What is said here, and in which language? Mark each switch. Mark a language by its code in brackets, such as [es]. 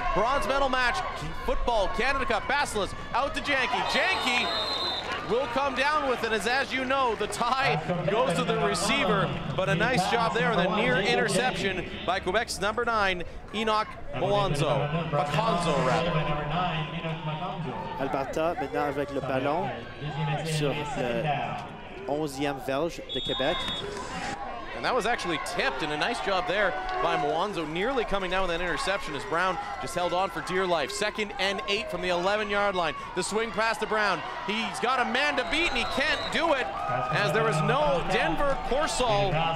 [en] Bronze medal match, football, Canada Cup. Vasilis out to Janky. Janky will come down with it, as you know, the tie goes to the receiver, but a nice job there with a near interception by Quebec's number nine, Enoch Mwanzo. Mwanzo, rather. [fr] Alberta, maintenant avec le ballon sur le 11e verge de Québec. [en] And that was actually tipped, and a nice job there by Mwanzo, nearly coming down with that interception as Brown just held on for dear life. Second and eight from the 11-yard line. The swing pass to Brown. He's got a man to beat, and he can't do it as there is no Denver Corsall.